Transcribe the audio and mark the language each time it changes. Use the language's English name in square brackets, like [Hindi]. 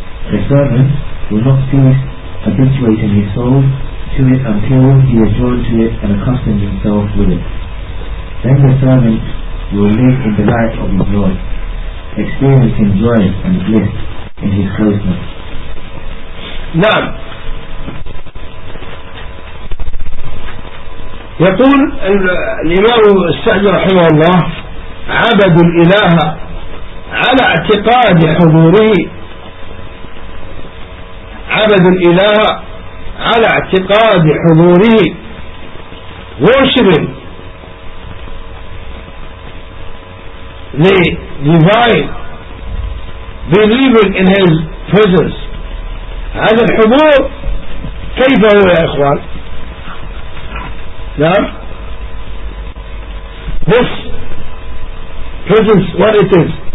[English] The servant will not cease habituating his soul to it until he is drawn to it and accustomed himself with it. Then the servant will live in the light of his Lord, experiencing joy and bliss in his closeness. [Arabic] نعم يقول الإمام السعدي رحمه الله عبد الإله على اعتقاد حضوره عبد الإله على اعتقاد حضوره [English] worshiping the divine, believing in his presence. [Arabic] هذا الحضور كيف هو يا إخوان؟ نعم. [English] This presence, what it is?